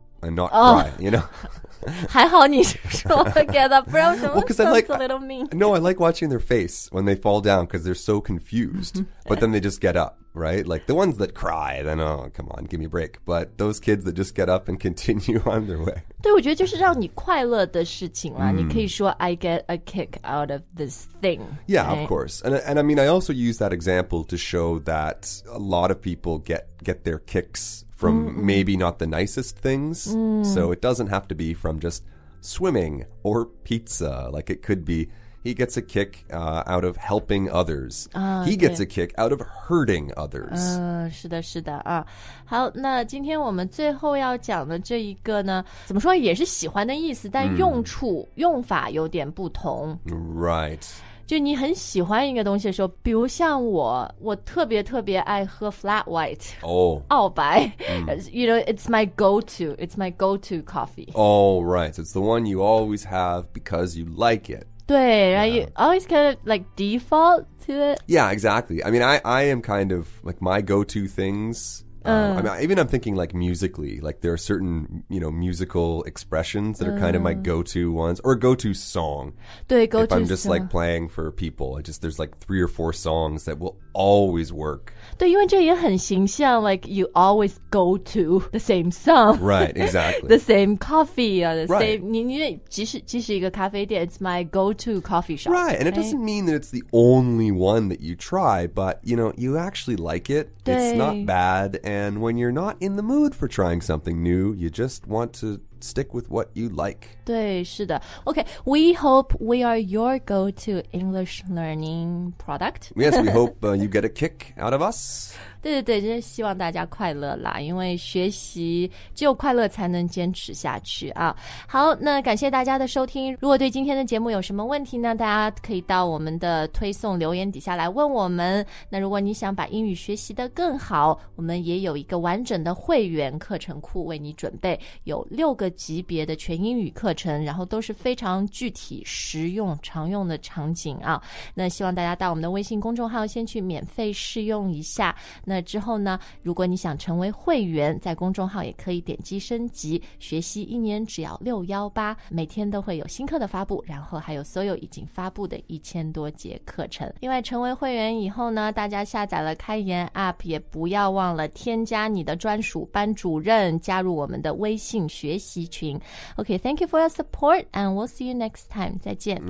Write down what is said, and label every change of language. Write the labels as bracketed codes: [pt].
[en] and not cry, you know? [zh] 还好你是说 [en] get up, [zh] 不然什么 [en] sounds a little mean. No, I like watching their face when they fall down because they're so confused. But then they just get up, right? Like the ones that cry, then, oh, come on, give me a break. But those kids that just get up and continue on their way. [zh] 对我觉得就是让你快乐的事情啦、你可以说 [en] I get a kick out of this thing. Yeah,、right? of course. And I mean, I also use that example to show that a lot of people get their kicks from maybe not the nicest things. So it doesn't have to be from just swimming or pizza. Like it could be he gets a kick、out of helping others. He gets a kick out of hurting others. [zh] 是的是的、啊、好那今天我们最后要讲的这一个呢怎么说也是喜欢的意思但用处、用法有点不同。 [en] Right. [zh] 就你很喜欢一个东西的时候比如像我我特别特别爱喝 flat white 澳白、 [en] You know, it's my go-to coffee. Oh, right. It's the one you always have because you like it. [zh] 对、 [en] right? You always kind of like default to it. Yeah, exactly. I mean, I am kind of like my go-to things. I mean, even I'm thinking like musically, like there are certain, you know, musical expressions that are kind of my go-to ones or go-to song. [zh] 对 go-to [en] song. If I'm just like playing for people, I just, there's like three or four songs that will always work. [zh] 对因为这也很形象 [en] like you always go to the same song. Right, exactly. The same coffee. The right. Same, [zh] 即使一个咖啡店 [en] it's my go-to coffee shop. Right, and it doesn't mean that it's the only one that you try, but you know, you actually like it. It's not bad. And when you're not in the mood for trying something new, you just want to stick with what you like. [zh] 对，是的。 [en] Okay, we hope we are your go-to English learning product. Yes, we hope、you get a kick out of us. [zh] 对对对，就是希望大家快乐啦，因为学习只有快乐才能坚持下去啊。好，那感谢大家的收听。如果对今天的节目有什么问题呢，大家可以到我们的推送留言底下来问我们。那如果你想把英语学习得更好，我们也有一个完整的会员课程库为你准备，有六个级别的全英语课程，然后都是非常具体、实用、常用的场景啊。那希望大家到我们的微信公众号先去免费试用一下。那之后呢，如果你想成为会员，在公众号也可以点击升级，学习一年只要618，每天都会有新课的发布，然后还有所有已经发布的1000多节课程。另外，成为会员以后呢，大家下载了开言 App， 也不要忘了添加你的专属班主任，加入我们的微信学习。 [en] Okay, thank you for your support, and we'll see you next time. [zh] 再见。